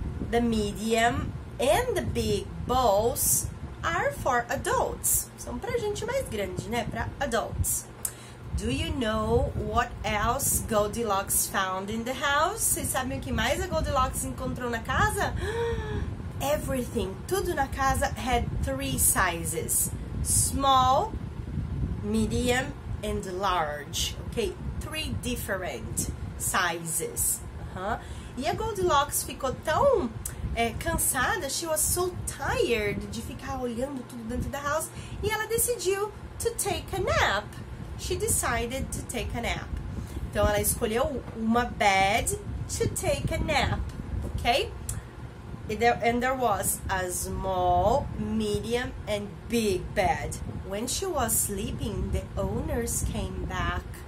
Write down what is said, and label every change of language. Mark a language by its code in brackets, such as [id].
[en] The medium and the big bowls are for adults. [pt] São pra gente mais grande, né? Pra [en] adults. Do you know what else Goldilocks found in the house? [pt] Vocês sabem o que mais a Goldilocks encontrou na casa? [en] Everything, [pt] tudo na casa [en] had three sizes. Small, medium, and large. Okay, three different sizes. [pt] E a Goldilocks ficou tão cansada, [en] she was so tired [pt] de ficar olhando tudo dentro da house, e ela decidiu [en] to take a nap. She decided to take a nap. [pt] Então, ela escolheu uma [en] bed to take a nap, okay? And there was a small, medium, and big bed. When she was sleeping, the owners came back.